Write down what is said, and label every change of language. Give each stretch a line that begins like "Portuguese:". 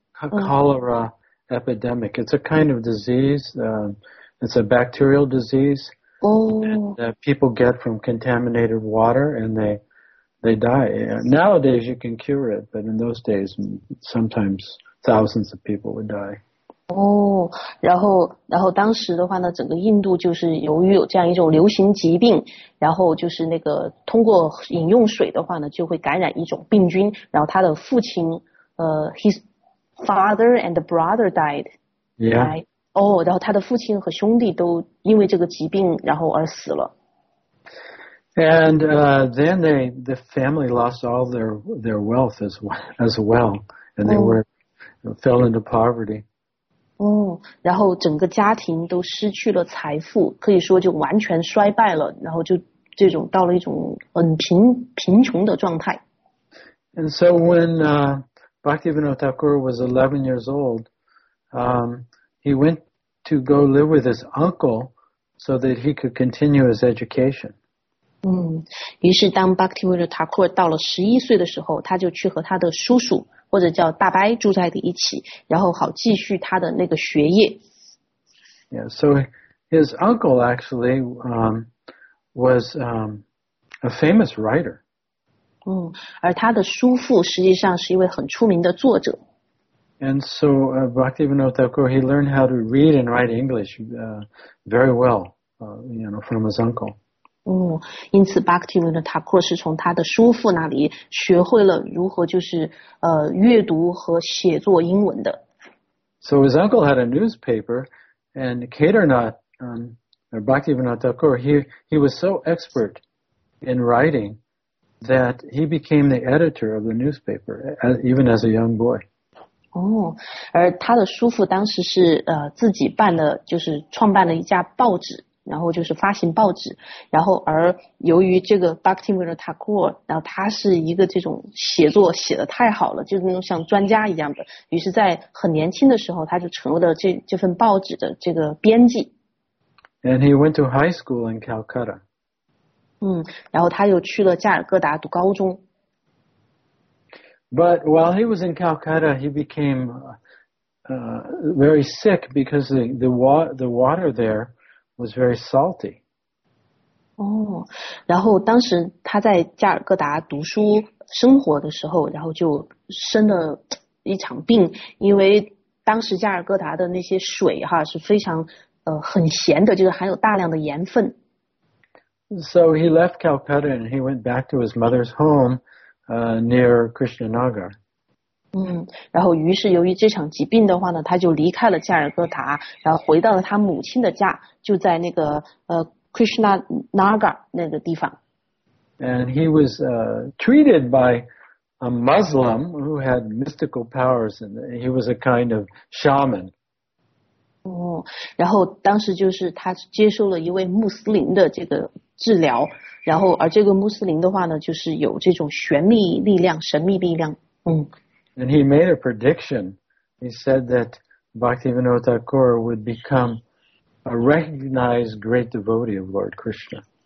English: Cholera. Epidemic. It's a kind of disease. It's a bacterial disease that people get from contaminated water, and they die. Nowadays, you can cure it, but in those days, sometimes thousands of people would die.
Chinese: 然后当时的话呢，整个印度就是由于有这样一种流行疾病，然后就是那个通过饮用水的话呢，就会感染一种病菌。然后他的父亲，
English: Father and the brother died. Yeah.
Chinese: 然后他的父亲和兄弟都因为这个疾病然后而死了。
English: And then the family lost all their wealth as well, and they fell into poverty.
Chinese: 然后整个家庭都失去了财富，可以说就完全衰败了，然后就这种到了一种很贫穷的状态。
English: And so when Bhaktivinoda Thakur was 11 years old, he went to go live with his uncle so that he could continue his education.
Chinese: 于是当 Bhaktivinoda Thakur 到了11岁的时候，他就去和他的叔叔或者叫大伯住在一起，然后好继续他的那个学业。
English: Yeah, so his uncle actually was a famous writer.
Chinese: 而他的叔父实际上是一位很出名的作者。
English: And so Bhaktivinoda Thakur, he learned how to read and write English very well, you know, from his uncle.
Chinese: 因此 Bhaktivinoda Thakur 是从他的叔父那里学会了如何就是阅读和写作英文的。
English: So his uncle had a newspaper, and Kedarnath, Bhaktivinoda Thakur, he was so expert in writing that he became the editor of the newspaper, even as a young boy.
Chinese: 而他的叔父当时是自己办的，就是创办了一家报纸。然后就是发行报纸，然后而由于这个 Bhaktivinoda Thakur， 然后他是一个这种写作写得太好了，就是那种像专家一样的，于是在很年轻的时候他就成为了这份报纸的这个编辑。
English: And he went to high school in Calcutta.
Chinese: 然后他又去了加尔各答读高中。
English: But while he was in Calcutta, he became very sick because the water there was very salty.
Chinese: 然后当时他在加尔各答读书生活的时候，然后就生了一场病，因为当时加尔各答的那些水哈是非常很咸的，就是含有大量的盐分。
English: So he left Calcutta and he went back to his mother's home, near Krishnanagar.
Chinese: 然后于是由于这场疾病的话呢，他就离开了加尔各答，然后回到了他母亲的家，就在那个Krishnanagar 那个地方。
English: And he was treated by a Muslim who had mystical powers, and he was a kind of shaman.
Chinese: 然后当时就是他接受了一位穆斯林的这个治疗，然后而这个穆斯林的话呢，就是有这种玄秘力量、神秘力量。
English: And he made a prediction. He said that Bhaktivinoda Thakur would become a recognized great devotee of Lord Krishna.